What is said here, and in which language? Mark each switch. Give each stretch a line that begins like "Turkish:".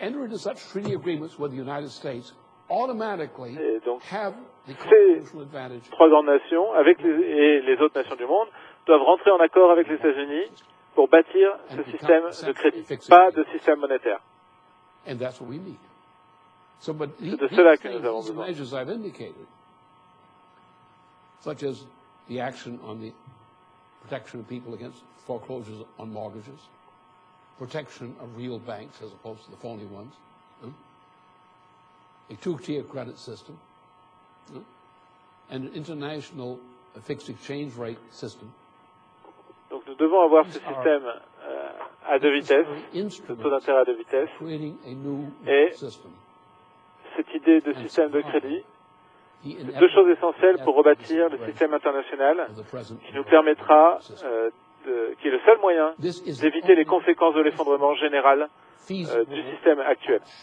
French: Et donc, ces trois grandes nations avec et les autres nations du monde doivent rentrer en accord avec les États-Unis pour bâtir ce système de crédit, pas de système monétaire.
English: And that's what we need. So, but these measures I've indicated, such as the action on the protection of people against foreclosures on mortgages, protection of real banks as opposed to the phony ones, a two-tier credit system, and an international fixed exchange rate system.
French: Donc nous devons avoir ce système à deux vitesses, ce taux d'intérêt à deux vitesses, et cette idée de système de crédit, deux choses essentielles pour rebâtir le système international qui nous permettra, qui est le seul moyen d'éviter les conséquences de l'effondrement général du système actuel.